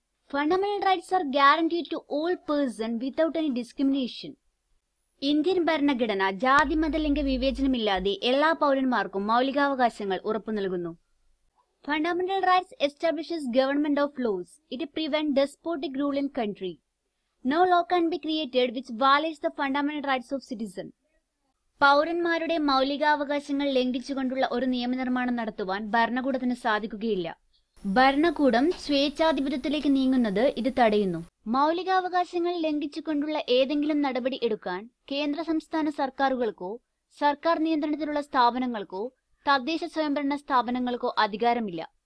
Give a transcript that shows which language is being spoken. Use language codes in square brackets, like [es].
[en] Fundamental rights are guaranteed to all person without any discrimination. [ml] Indian ഭരണഘടന ജാതി മതലിംഗ വിവേചനമില്ലാതെ എല്ലാ പൗരന്മാർക്കും മൗലികാവകാശങ്ങൾ ഉറപ്പു നൽകുന്നു. [en] Fundamental rights establishes government of laws. It prevent despotic rule in country. No law can be created which violates the fundamental rights of citizen. [ml] പൗരന്മാരുടെ മൗലികാവകാശങ്ങൾ ലംഘിച്ചുകൊണ്ടുള്ള ഒരു നിയമനിർമ്മാണം നടത്തുവാൻ ഭരണകൂടത്തിന് സാധിക്കുകയില്ല. ഭരണകൂടം സ്വേച്ഛാധിപത്യത്തിലേക്ക് നീങ്ങുന്നത് ഇത് തടയുന്നു. മൗലികാവകാശങ്ങൾ ലംഘിച്ചുകൊണ്ടുള്ള ഏതെങ്കിലും നടപടി എടുക്കാൻ കേന്ദ്ര സംസ്ഥാന സർക്കാരുകൾക്കോ സർക്കാർ നിയന്ത്രണത്തിലുള്ള സ്ഥാപനങ്ങൾക്കോ തദ്ദേശ സ്വയംഭരണ സ്ഥാപനങ്ങൾക്കോ അധികാരമില്ല.